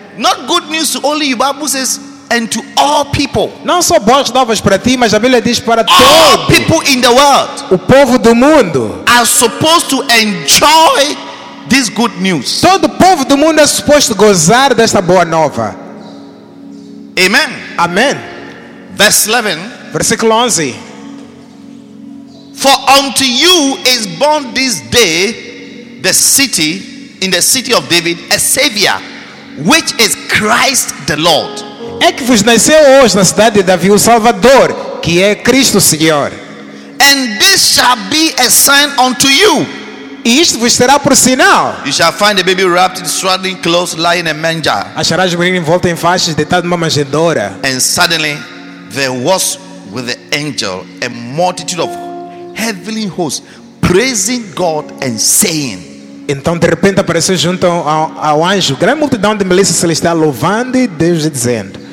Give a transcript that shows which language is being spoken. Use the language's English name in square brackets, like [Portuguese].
[English] Not good news to only you, Bible says, and to all people. [Portuguese] Não só boas novas para ti, mas a Bíblia diz para [English] all People in the world. [Portuguese] O povo do mundo. [English] Are supposed to enjoy this good news. [Portuguese] Todo o povo do mundo é suposto gozar desta boa nova. [English] Amen. [Portuguese] Amen. [English] Verse 11. [Portuguese] Versículo 11. [English] For unto you is born this day the city, in the city of David, a Savior, which is Christ the Lord. [Portuguese] É que vos nasceu hoje na cidade de Davi o Salvador, que é Cristo Senhor. [English] And this shall be a sign unto you. [Portuguese] E isto vos será por sinal. [English] You shall find a baby wrapped in swaddling clothes, lying in a manger. [Portuguese] Acharás o menino envolto em faixas, deitado numa manjedoura. [English] And suddenly there was with the angel a multitude of heavenly hosts praising God and saying. [Portuguese] Então de repente apareceu junto ao anjo grande multidão de milícia celestial louvando e Deus dizendo.